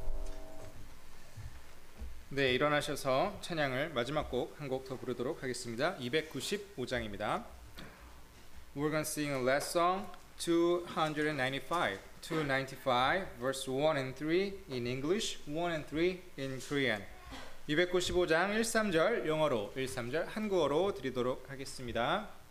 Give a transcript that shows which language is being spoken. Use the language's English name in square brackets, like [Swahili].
[Korean] 네, 일어나셔서 찬양을 마지막 곡 한 곡 더 부르도록 하겠습니다. 295장입니다. [English] We're going to sing a last song, 295, verse 1 and 3 in English, 1 and 3 in Korean. [Korean] 295장 1-3절 영어로, 1-3절 한국어로 드리도록 하겠습니다.